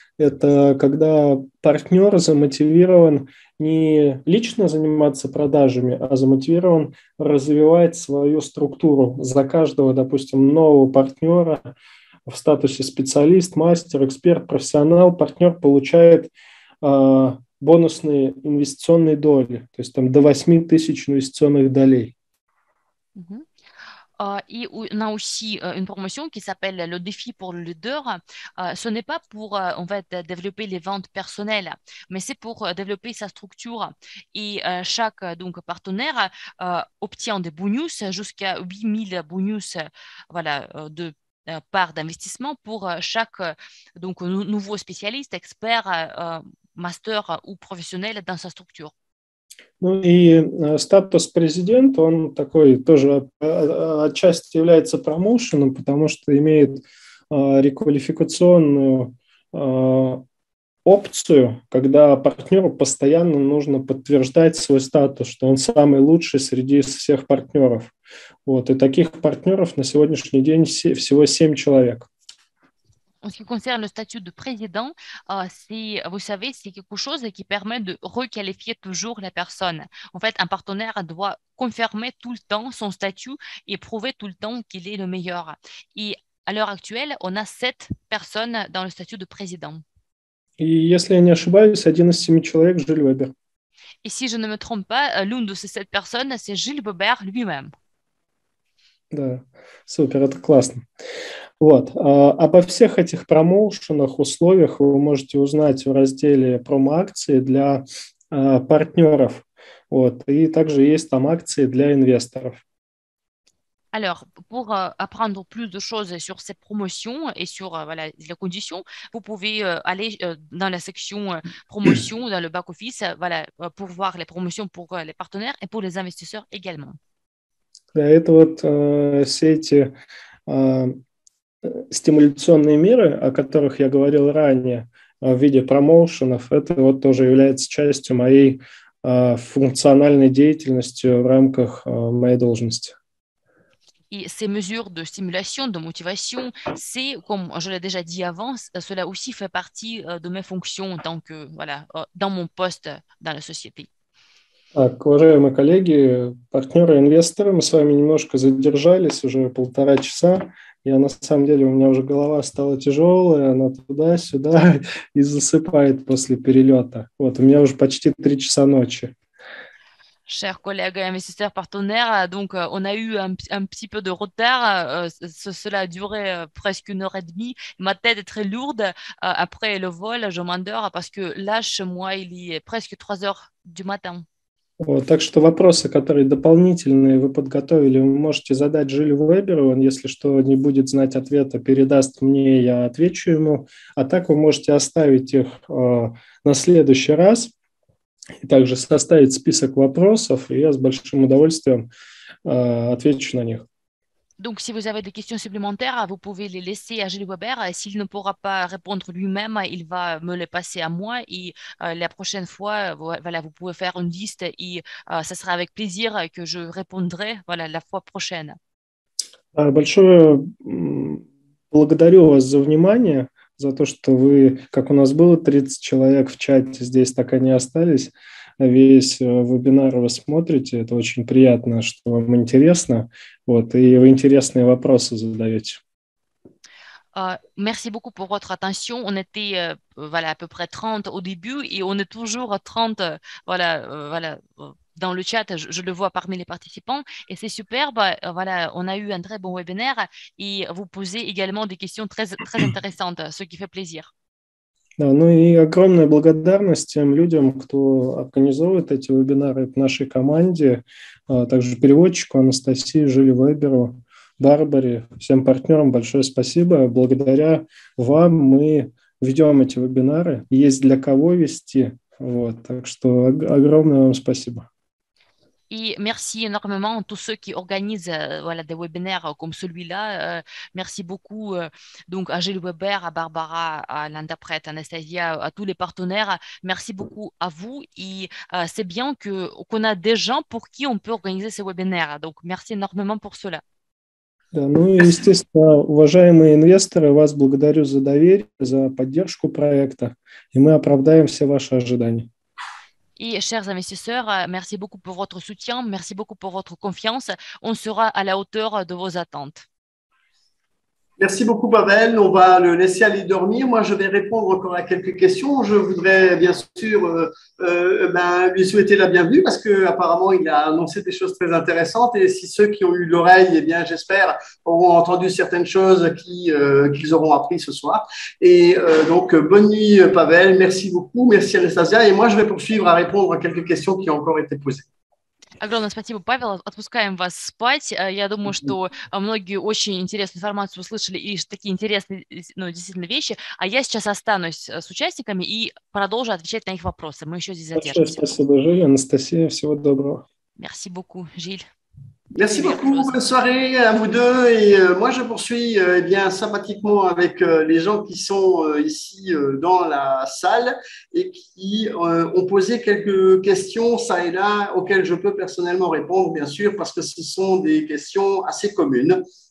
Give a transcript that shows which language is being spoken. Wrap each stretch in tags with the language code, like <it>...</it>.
<ru>Это когда партнер замотивирован не лично заниматься продажами, а замотивирован развивать свою структуру. За каждого, допустим, нового партнера в статусе специалист, мастер, эксперт, профессионал, партнер получает бонусные инвестиционные доли, то есть там до 8 тысяч инвестиционных долей.</ru> <fr>Et on a aussi une promotion qui s'appelle le défi pour le leader. Ce n'est pas pour en fait, développer les ventes personnelles, mais c'est pour développer sa structure. Et chaque donc, partenaire obtient des bonus, jusqu'à 8000 bonus de part d'investissement pour chaque donc, nouveau spécialiste, expert, master ou professionnel dans sa structure.</fr> <ru>Ну и статус президента, он такой тоже отчасти является промоушеном, потому что имеет реквалификационную опцию, когда партнеру постоянно нужно подтверждать свой статус, что он самый лучший среди всех партнеров. Вот, и таких партнеров на сегодняшний день всего 7 человек.</ru> <fr>En ce qui concerne le statut de président, c'est, vous savez, c'est quelque chose qui permet de requalifier toujours la personne. En fait, un partenaire doit confirmer tout le temps son statut et prouver tout le temps qu'il est le meilleur. Et à l'heure actuelle, on a 7 personnes dans le statut de président. Et si je ne me trompe pas, un des 7</fr> <ru>человек,</ru> <fr>Жюль Вебер. Et si je ne me trompe pas, l'une de ces 7 personnes, c'est Жюль Вебер lui-même.</fr> <ru>Да, супер, это классно. Вот. Обо всех этих промоушенах, условиях вы можете узнать в разделе промо-акции для партнеров. Вот. И также есть там акции для инвесторов.</ru> <fr>Alors, pour apprendre plus de choses sur ces promotions et sur les conditions, vous pouvez aller dans la section promotion dans le back-office pour voir les promotions pour les partenaires et pour les investisseurs également.</fr> <ru>Да, это вот все эти стимуляционные меры, о которых я говорил ранее, в виде промоушенов, это вот тоже является частью моей функциональной деятельности в рамках моей должности.</ru> <fr>Et ces mesures de stimulation, de motivation, c'est, comme je l'ai déjà dit avant, cela aussi fait partie de mes fonctions en tant que, dans mon poste dans la société.</fr> <ru>Так, уважаемые коллеги, партнеры, инвесторы, мы с вами немножко задержались, уже полтора часа. Я на самом деле, у меня уже голова стала тяжелая, она туда-сюда и засыпает после перелета. Вот, у меня уже почти 3 часа ночи.</ru> <fr>Chers collègues, investisseurs, partenaires, donc on a eu un petit peu de retard, cela a duré presque 1h30, ma tête est très lourde, après le vol, je m'endors parce que lâche moi, il est presque 3h du matin.</fr> <ru>Вот, так что вопросы, которые дополнительные вы подготовили, вы можете задать Жюлю Веберу, он, если что, не будет знать ответа, передаст мне, я отвечу ему, а так вы можете оставить их на следующий раз. и также составить список вопросов, и я с большим удовольствием отвечу на них.</ru> <fr>Donc, si vous avez des questions supplémentaires, vous pouvez les laisser à Gilles Weber. S'il ne pourra pas répondre lui-même, il va me les passer à moi. Et la prochaine fois, voilà, vous pouvez faire une liste et ce sera avec plaisir que je répondrai, voilà, la fois prochaine.</fr> <ru>Большое благодарю вас за внимание, за то, что вы, как у нас было 30 человек в чате, здесь так они остались. Весь вебинар вы смотрите, это очень приятно, что вам интересно, вот, и вы интересные вопросы задаете.</ru> <fr>Merci beaucoup pour votre attention. On était voilà, à peu près 30 au début et on est toujours 30 voilà, voilà, dans le chat. Je le vois parmi les participants et c'est superbe. Voilà, on a eu un très bon webinaire et vous posez également des questions très, très intéressantes, ce qui fait plaisir.</fr> <ru>Да, ну и огромная благодарность тем людям, кто организовывает эти вебинары в нашей команде, также переводчику Анастасии, Жиле Веберу, Барбаре, всем партнерам большое спасибо. Благодаря вам мы ведем эти вебинары, есть для кого вести, вот, так что огромное вам спасибо.</ru> <fr>И merci énormément à tous ceux qui organisent voilà, des webinaires comme celui-là. Merci beaucoup donc à Gilles Weber, à Barbara, à l'interprète Anastasia, à tous les partenaires. Merci beaucoup à vous. Et c'est bien qu'on a des gens pour qui on peut organiser ces webinaires. Donc, merci énormément pour cela.</fr> <ru>Да, ну и, естественно, уважаемые инвесторы, вас благодарю за доверие, за поддержку проекта. И мы оправдаем все ваши ожидания.</ru> <fr>Et chers investisseurs, merci beaucoup pour votre soutien, merci beaucoup pour votre confiance. On sera à la hauteur de vos attentes. Merci beaucoup, Pavel. On va le laisser aller dormir. Moi, je vais répondre encore à quelques questions. Je voudrais bien sûr lui souhaiter la bienvenue parce qu'apparemment, il a annoncé des choses très intéressantes. Et si ceux qui ont eu l'oreille, eh bien, j'espère, auront entendu certaines choses qu'ils auront apprises ce soir. Et donc, bonne nuit, Pavel. Merci beaucoup. Merci, Anastasia. Et moi, je vais poursuivre à répondre à quelques questions qui ont encore été posées.</fr> <ru>Огромное спасибо, Павел. Отпускаем вас спать. Я думаю, что многие очень интересную информацию услышали и такие интересные, ну, действительно, вещи. А я сейчас останусь с участниками и продолжу отвечать на их вопросы. Мы еще здесь задержимся. Большое спасибо, Жиль. Анастасия, всего доброго.</ru> <fr>Merci beaucoup, Жиль. Merci beaucoup, bonne soirée à vous deux. Et moi, je poursuis bien sympathiquement avec les gens qui sont ici dans la salle et qui ont posé quelques questions, ça et là, auxquelles je peux personnellement répondre, bien sûr, parce que ce sont des questions assez communes.</fr>